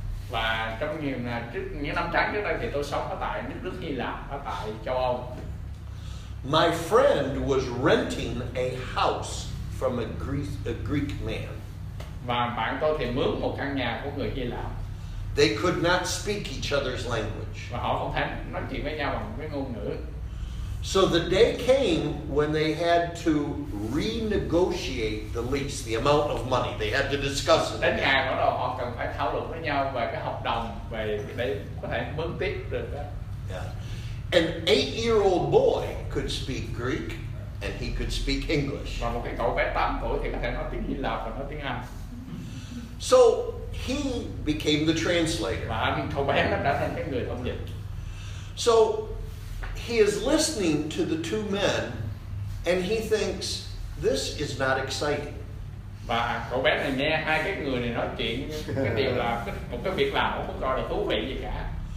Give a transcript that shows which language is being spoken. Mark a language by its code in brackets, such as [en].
[vi] Và trong những năm tháng trước đây thì tôi sống ở tại nước Đức Hy Lạp, ở tại châu Âu. [en] My friend was renting a house from a Greek man. [vi] Và bạn tôi thì mướn một căn nhà của người Hy Lạp. [en] They could not speak each other's language. [vi] Và họ không thể nói chuyện với nhau bằng cái ngôn ngữ. [en] So the day came when they had to renegotiate the lease, the amount of money. They had to discuss it. [vi] Đến ngày bắt đầu họ cần phải thảo luận với nhau về cái hợp đồng về để có thể mướn tiếp được đó. [en] An 8-year-old boy could speak Greek, and he could speak English. [vi] Và một cái cậu bé 8 tuổi thì có thể nói tiếng Hy Lạp và nói tiếng Anh. [en] So he became the translator. [vi] Và anh cậu bé đã trở thành cái người thông dịch. [en] So he is listening to the two men, and he thinks this is not exciting. [vi] Và cậu bé này nghe hai cái người này nói chuyện, cái điều là một cái việc làm không coi là thú vị gì cả.